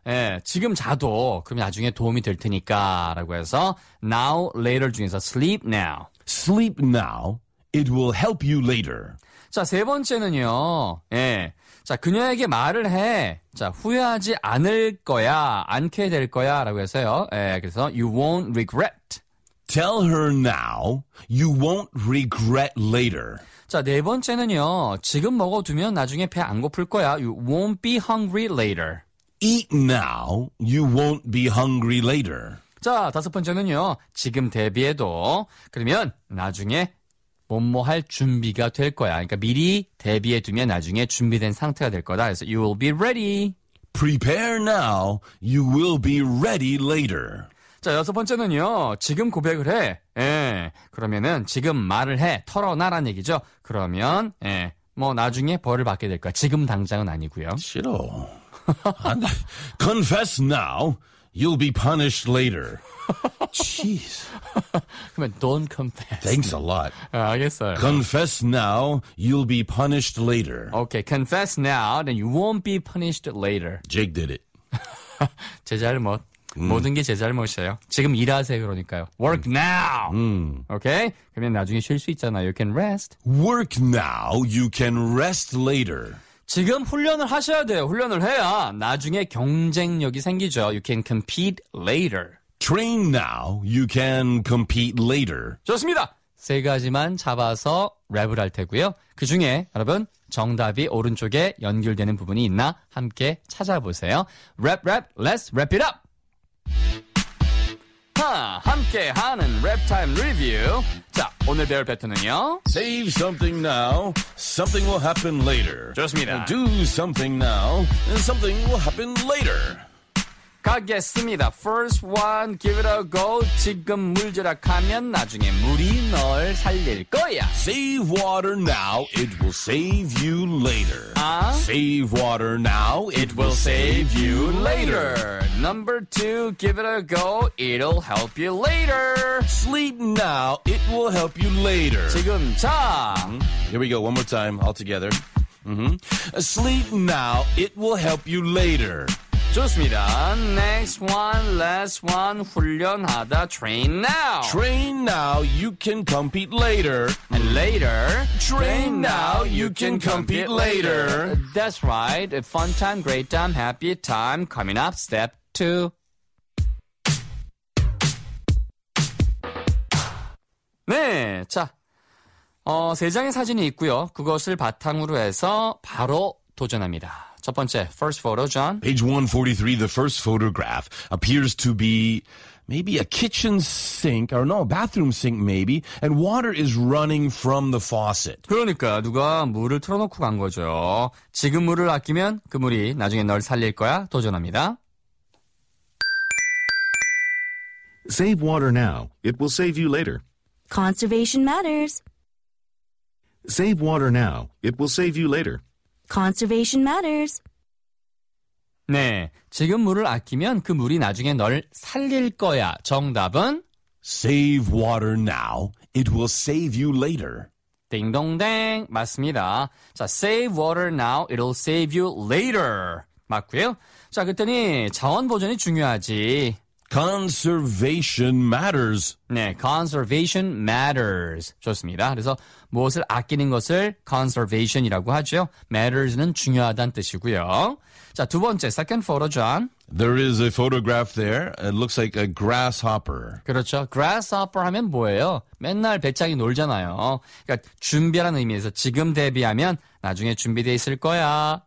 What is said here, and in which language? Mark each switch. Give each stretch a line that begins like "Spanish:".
Korean: 예, 지금 자도 그럼 나중에 도움이 될 테니까 라고 해서
English: now, later
Korean: 중에서
English: sleep now. Sleep now. It will help you later.
Korean: 자, 세 번째는요. 예, 자, 그녀에게 말을 해. 자, 후회하지 않을 거야, 않게 될 거야 라고 해서요. 예, 그래서
English: you won't regret. Tell her now, you won't regret later.
Korean: 자, 네 번째는요. 지금 먹어두면 나중에 배 안 고플 거야.
English: You won't be hungry later. Eat now, you won't be hungry later.
Korean: 자, 다섯 번째는요. 지금 대비해도 그러면 나중에 뭐뭐 할 준비가 될 거야. 그러니까 미리 대비해 두면 나중에 준비된 상태가 될 거다. 그래서
English: you will be ready. Prepare now. You will be ready later.
Korean: 자, 여섯 번째는요. 지금 고백을 해. 예. 그러면은 지금 말을 해. 털어놔란 얘기죠. 그러면 예. 뭐 나중에 벌을 받게 될 거야. 지금 당장은 아니고요. 싫어.
English: Confess now. You'll be punished later. Jeez.
Korean: 그러면
English: don't confess. Thanks a lot.
Korean: 아, 알겠어요.
English: Confess now, you'll be punished later. Okay, confess now, then you won't be punished later. Jake did it.
Korean: 제 잘못. 모든 게 제 잘못이에요. 지금 일하세요, 그러니까요.
English: Work now. Okay?
Korean: 그러면 나중에 쉴 수 있잖아요.
English: You can rest. Work now, you can rest later.
Korean: 지금 훈련을 하셔야 돼요. 훈련을 해야 나중에 경쟁력이 생기죠.
English: You can compete later. Train now. You can compete later.
Korean: 좋습니다. 세 가지만 잡아서 랩을 할 테고요. 그중에 여러분 정답이 오른쪽에 연결되는 부분이 있나 함께 찾아보세요.
English: Rap, rap, let's wrap it up.
Korean: 함께하는 랩타임 리뷰. 자, 오늘 배울 패턴은요.
English: Save something now, something will happen later.
Korean: 좋습니다.
English: Do something now, and something will happen later.
Korean: 가겠습니다.
English: First one, give it a go.
Korean: 지금 물 절약하면 나중에 물이 널 살릴 거야.
English: Save water now, it will save you later. Save water now, it will save you later. Number two, give it a go, it'll help you later. Sleep now, it will help you later.
Korean: 지금 자.
English: Here we go, one more time, all together. Sleep now, it will help you later.
Korean: 좋습니다.
English: Next one, last one,
Korean: 훈련하다,
English: train now. Train now, you can compete later. And later. Train now, you can compete later. That's right, a fun time, great time, happy time, coming up, step two.
Korean: 네, 자, 세 장의 사진이 있고요. 그것을 바탕으로 해서 바로 도전합니다. 첫 번째,
English: first photo, John. Page 143, the first photograph appears to be maybe a kitchen sink, or no, a bathroom sink maybe, and water is running from the faucet.
Korean: 그러니까 누가 물을 틀어놓고 간 거죠. 지금 물을 아끼면 그 물이 나중에 널 살릴 거야. 도전합니다.
English: Save water now. It will save you later. Conservation matters. Save water now. It will save you later. Conservation matters.
Korean: 네. 지금 물을 아끼면 그 물이 나중에 널 살릴 거야. 정답은?
English: Save water now. It will save you later.
Korean: 띵동댕. 맞습니다. 자,
English: save water now. It'll save you later.
Korean: 맞고요. 자, 그랬더니 자원 보존이 중요하지.
English: Conservation matters.
Korean: 네,
English: conservation matters.
Korean: 좋습니다. 그래서 무엇을 아끼는 것을 conservation이라고 하죠. Matters는 중요하다는 뜻이고요. 자, 두 번째,
English: second photo,
Korean: John.
English: There is a photograph there. It looks like a grasshopper.
Korean: 그렇죠. Grasshopper 하면 뭐예요? 맨날 배짱이 놀잖아요. 그러니까 준비라는 의미에서 지금 대비하면 나중에 준비되어 있을 거야.